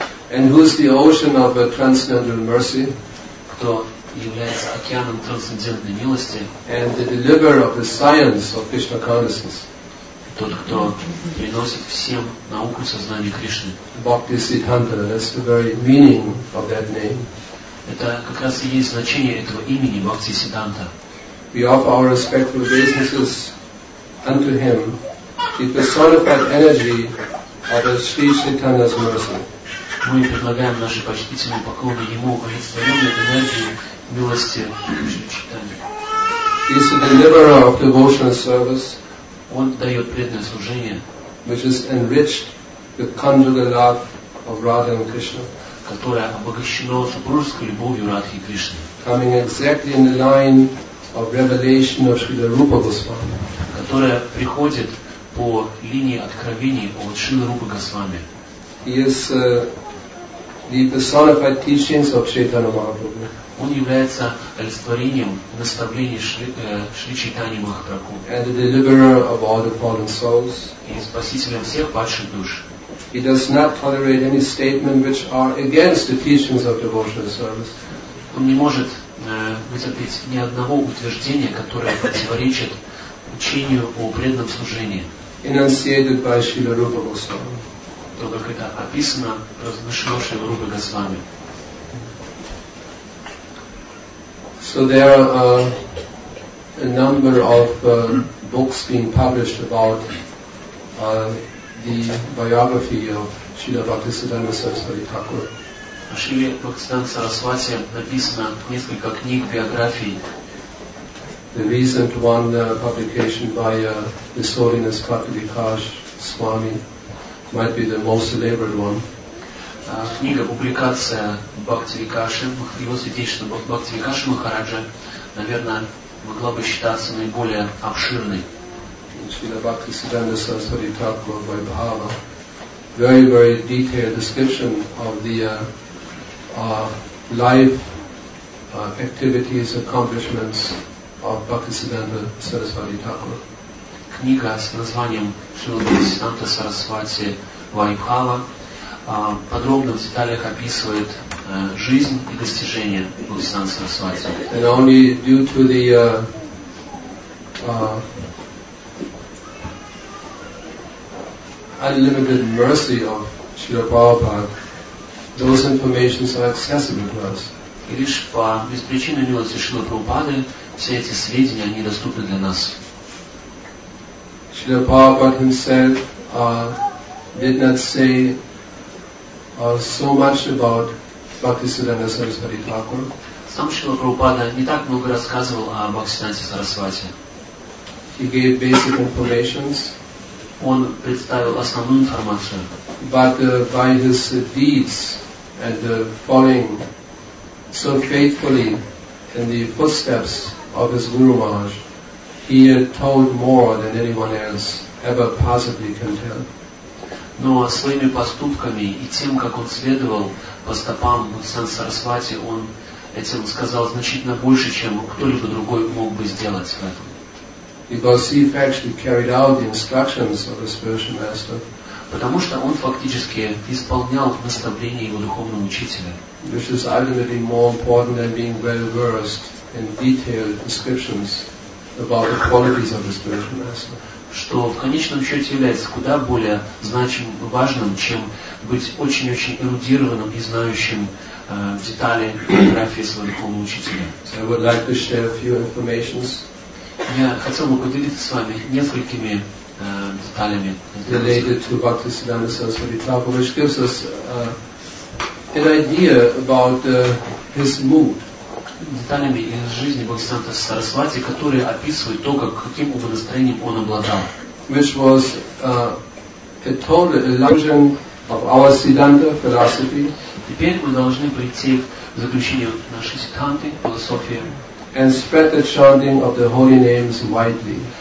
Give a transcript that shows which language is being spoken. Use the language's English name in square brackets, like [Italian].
[English] And who is the ocean of transcendental mercy? [Russian] Кто является океаном трансцендентной милости, [English] and the deliverer of the science of Krishna consciousness. [Russian] Тот, кто приносит всем науку сознания Кришны. [English] Bhaktisiddhanta, that's the very meaning of that name. [Russian] Это как раз и есть значение этого имени Бхактисиддханта. [English] We offer our respectful obeisances unto him, the personified energy of Sri Chaitanya's mercy. [Russian] Мы предлагаем наши почтительные поклоны ему, олицетворенной энергии милости Читания. [English] He is the deliverer of devotional service. [Russian] Он дает преданное служение, [English] which is enriched with conjugal love of Radha and Krishna, [Russian] которое обогащено супружеской любовью Радхи и Кришны. [English] Coming exactly in the line of revelation of Srila Rupa Goswami, [Russian] которое приходит по линии откровений от Шрилы Рупы Госвами. [English] He is the personified teachings of Chaitanya Mahaprabhu. [Russian] Он является олицетворением наставлений Шри Чайтаньи Махапрабху. [English] And the deliverer of all the fallen souls. [Russian] И спасителем всех падших душ. [English] He does not tolerate any statement which are against the teachings of devotional service. [Russian] Он не может вытерпеть ни одного утверждения, которое противоречит учению о преданном служении. [English] Enunciated by Śrīla Rūpa Gosvāmī. [Russian] То, как это описано разрешившей Рупа Госвами. [English] So there are a number of books being published about the biography of Śrīla Bhaktisiddhānta Saraswati Thakura. [Russian] О Шриле Бхактисиддханте Сарасвати написано несколько книг биографий. [English] The recent one publication by His Holiness Kapilikash Swami might be the most celebrated one. [Russian] Книга публикация Бхактивикаши, его святейшества Бхактивикаши Махараджа, наверное, могла бы считаться наиболее обширной. Шрила Бхактисиддханта Сарасвати Тхакура [English] by Bhava. Very, very detailed description of the life, activities, accomplishments of Bhaktisiddhanta Saraswati Thakura. [Russian] Книга с названием Шрила Бхактисиддханта Сарасвати Вайбхава подробно в деталях описывает жизнь и достижения Бхактисиддханта Сарасвати. [English] And only due to the unlimited mercy of Srila Prabhupada, those informations are accessible to us. [Russian] И лишь по беспричинной милости Шрила Прабхупады все эти сведения, они доступны для нас. [English] Srila Prabhupada himself did not say so much about Bhaktisiddhanta Saraswati Thakura. [Russian] Сам Шрила Прабхупада не так много рассказывал о Бхактисиддханте Сарасвати. [English] He gave basic informations. [Russian] Он представил основную информацию. [English] But by his deeds and following so faithfully in the footsteps of his Guru Maharaj, he had told more than anyone else ever possibly can tell. [Russian] Но своими поступками и тем, как он следовал по стопам Бхактисиддханты Сарасвати, он этим сказал значительно больше, чем кто-либо другой мог бы сделать в этом. [English] Because he actually carried out the instructions of his spiritual master. [Russian] Потому что он фактически исполнял наставления его духовного учителя. [English] Which is ultimately more important than being well versed in detailed descriptions about the qualities of his spiritual master. [Russian] Что в конечном счете является куда более значимым и важным, чем быть очень-очень эрудированным и знающим детали биографии своего духовного учителя. [English] So I would like to share a few informations. [Russian] Я хотел бы поделиться с вами несколькими деталями. [English] Related to Bhaktisiddhanta Saraswati Thakura, which gives us an idea about his mood. [Russian] Деталями из жизни Бхактисиддханта Сарасвати, которые описывают то, как, каким умонастроением он обладал. [English] Which was a total illusion of our Siddhanta philosophy. [Russian] Теперь мы должны прийти к заключению нашей Сиддханты философии. [English] And spread the chanting of the holy names widely.